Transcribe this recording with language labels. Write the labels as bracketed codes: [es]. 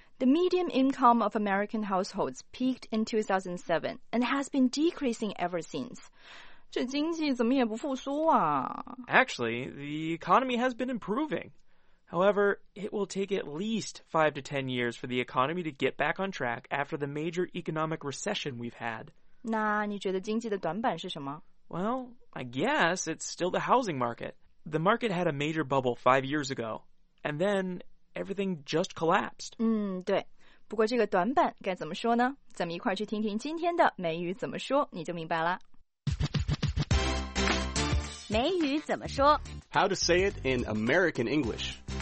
[en] The median income of American households peaked in 2007 and has been decreasing ever since. [zh] 这经济怎么也不复苏啊。 [en] Actually, the economy has been improving. However, it will take at least 5 to 10 years for the economy to get back on track after the major economic recession we've had. [zh] 那你觉得经济的短板是什么？ [en] Well, I guess it's still the housing market. The market had a major bubble 5 years ago. And then everything just collapsed. [zh] 对。不过这个短板该怎么说呢？咱们一块去听听今天的美语怎么说，你就明白了。美语怎么说 [en] ？How to say it in American English?